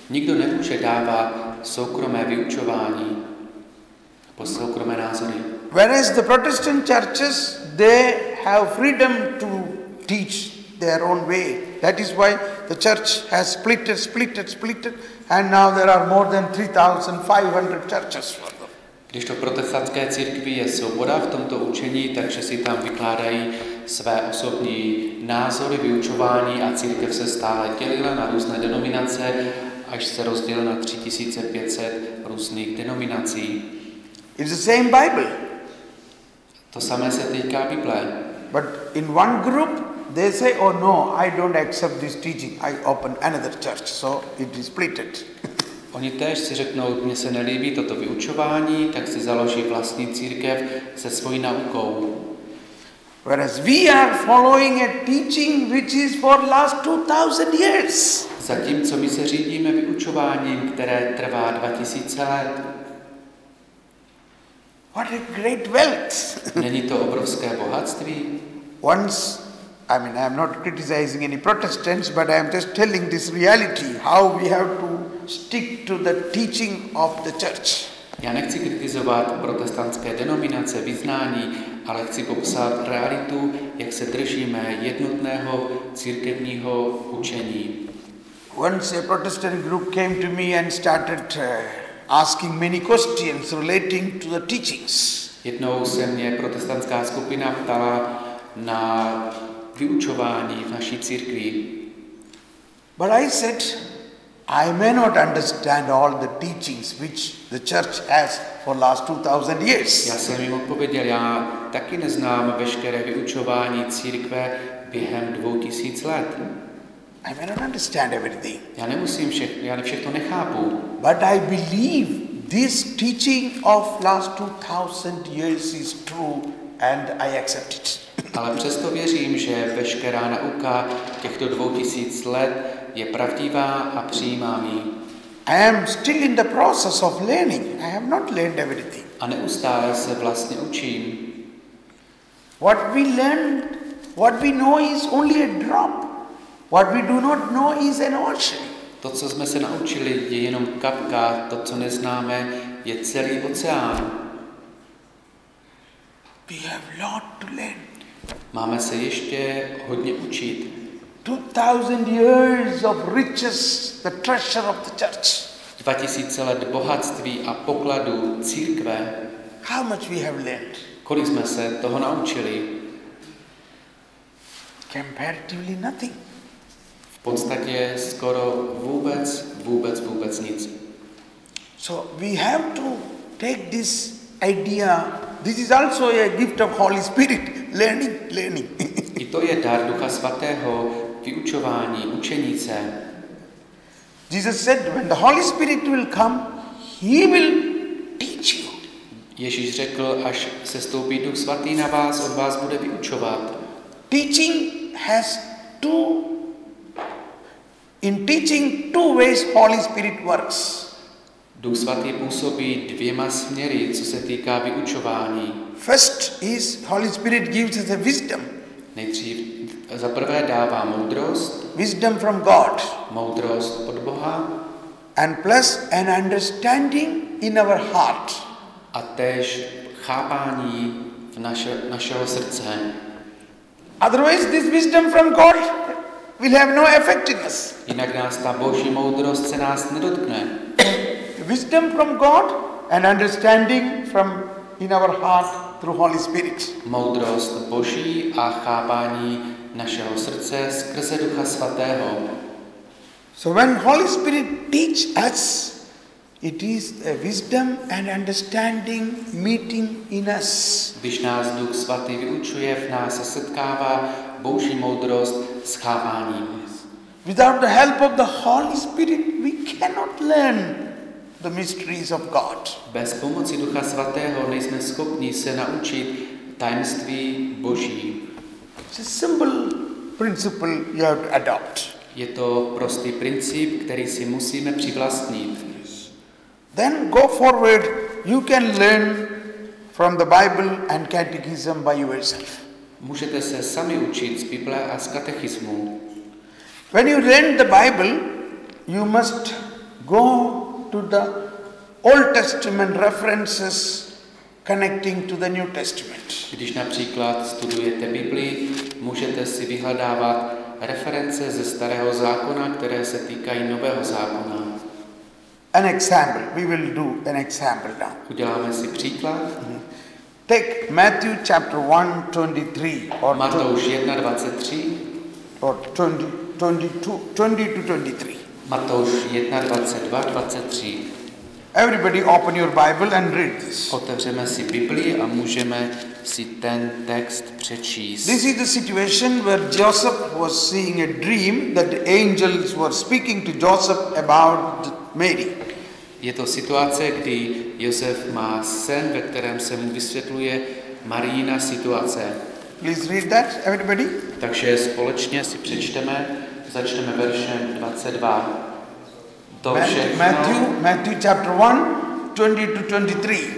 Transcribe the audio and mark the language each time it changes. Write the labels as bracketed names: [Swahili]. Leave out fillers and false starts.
[Czech] Nikdo nemůže dávat soukromé vyučování. Soukromé názory. [English] Whereas the Protestant churches, they have freedom to teach their own way. That is why the church has splitted, and now there are more than 3,500 churches. [Czech] Když to protestantské církvi je svoboda v tomto učení, takže si tam vykládají své osobní názory, vyučování a církev se stále dělila na různé denominace, až se rozdělila na 3,500 různých denominací. [English] It's the same Bible. [Czech] To samé se týká Bible. [English] But in one group they say, oh no, I don't accept this teaching. I open another church. So it is splitted. [Czech] Oni též si řeknou, mně se nelíbí toto vyučování, tak si založí vlastní církev se svojí naukou. [English] Whereas we are following a teaching which is for last 2000 years. [Czech] Zatímco my se řídíme vyučováním, které trvá 2000 let. [English] What a great wealth. [Czech] Není to obrovské bohatství? [English] Once, I mean, I am not criticizing any Protestants, but I am just telling this reality, how we have to stick to the teaching of the church. [Czech] Já nechci kritizovat protestantské denominace, vyznání, ale chci popsat realitu, jak se držíme jednotného církevního učení. [English] Once a Protestant group came to me and started asking many questions relating to the teachings. [Czech] Jednou se mě protestantská skupina ptala na vyučování v naší církvi. [English] But I said, I may not understand all the teachings which the church has for last 2000 years. [Czech] Já jsem jim odpověděl, já taky neznám veškeré vyučování církve během 2000 let. [English] I may not understand everything. [Czech] Já nemusím všechno, já všechno nechápu. [English] But I believe this teaching of last 2000 years is true and I accept it. [Czech] Ale přesto věřím, že veškerá nauka těchto 2000 let je pravdivá a přijímám ji. [English] I am still in the process of learning. I have not learned everything. [Czech] A neustále se vlastně učím. [English] What we learn, what we know is only a drop. What we do not know is an ocean. [Czech] To, co jsme se naučili, je jenom kapka, to, co neznáme, je celý oceán. [English] We have lot to learn. [Czech] Máme se ještě hodně učit. [English] 2000 years of riches, the treasure of the church. [Czech] 2000 let bohatství a pokladu církve. [English] How much we have learned? [Czech] Kolik jsme se toho naučili? [English] Comparatively nothing. [Czech] V podstatě skoro vůbec, vůbec, vůbec nic. [English] So we have to take this idea. This is also a gift of Holy Spirit, learning, learning. [Czech] I to je dar Ducha Svatého. Vyučování, učenice. [English] Jesus said, when the Holy Spirit will come, he will teach you. [Czech] Ježíš řekl, až sestoupí Duch Svatý na vás, on vás bude vyučovat. [English] Teaching has two. In teaching, two ways Holy Spirit works. [Czech] Duch Svatý působí dvěma směry, co se týká vyučování. [English] First is Holy Spirit gives us a wisdom. [Czech] Nejdřív za prvé dává moudrost. [English] Wisdom from God. [Czech] Moudrost od Boha. [English] And plus an understanding in our heart. [Czech] A též chápání v našeho srdce. [English] Otherwise this wisdom from God will have no effect in us. [Czech] Jinak nás ta Boží moudrost se nás nedotkne. [English] Wisdom from God and understanding from in our heart through Holy Spirit. [Czech] Moudrost Boží a chápání našeho srdce skrze Ducha Svatého. [English] So when Holy Spirit teach us, it is a wisdom and understanding meeting in us. [Czech] Když nás Duch Svatý vyučuje, v nás se setkává Boží moudrost s chápáním. [English] Without the help of the Holy Spirit, we cannot learn the mysteries of God. [Czech] Bez pomoci Ducha Svatého nejsme schopni se naučit tajemství Boží. [English] It's a simple principle you have to adopt. [Czech] Je to prostý princip, který si musíme přivlastnit. [English] Then go forward, you can learn from the Bible and catechism by yourself. [Czech] Můžete se sami učit z Bible a z katechismu. [English] When you learn the Bible, you must go to the Old Testament references connecting to the New Testament. [Czech] Když například studujete Bibli, můžete si vyhledávat reference ze Starého zákona, které se týkají Nového zákona. [English] An example. We will do an example now. [Czech] Uděláme si příklad. [English] Take Matthew chapter 1:23 [Czech] or Matouš 1:23 [English] or 20 to 23. [Czech] Matouš 1:22-23. [English] Everybody open your Bible and read this. [Czech] Otevřeme si Biblii a můžeme si ten text přečíst. [English] This is the situation where Joseph was seeing a dream that the angels were speaking to Joseph about Mary. [Czech] Je to situace, kdy Josef má sen, ve kterém se mu vysvětluje Mariina situace. [English] Please read that, everybody. [Czech] Takže společně si přečteme, začneme veršem 22. To všechno, [English] Matthew chapter 1:20-23.